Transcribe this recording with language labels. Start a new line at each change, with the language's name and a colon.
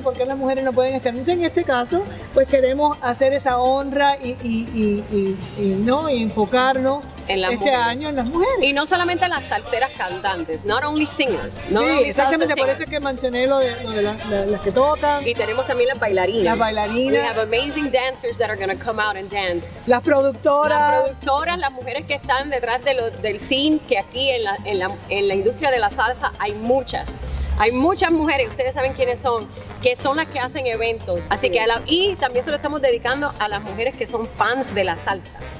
Spanish: Porque las mujeres no pueden estar. Entonces, en este caso, pues queremos hacer esa honra y enfocarnos en la este mujer. Año en las mujeres. Y no solamente las salseras cantantes,
English: not only singers. Not
Spanish: sí,
English: only
Spanish: exactamente, por eso es que mencioné lo de las que tocan. Y tenemos también las bailarinas. Las bailarinas.
English: We have amazing dancers that are going to come out and dance.
Spanish: Las productoras. Las productoras, las mujeres que están detrás del scene, que aquí en la industria de la salsa hay muchas. Hay muchas mujeres, ustedes saben quiénes son, que son las que hacen eventos. Así que y también se lo estamos dedicando a las mujeres que son fans de la salsa.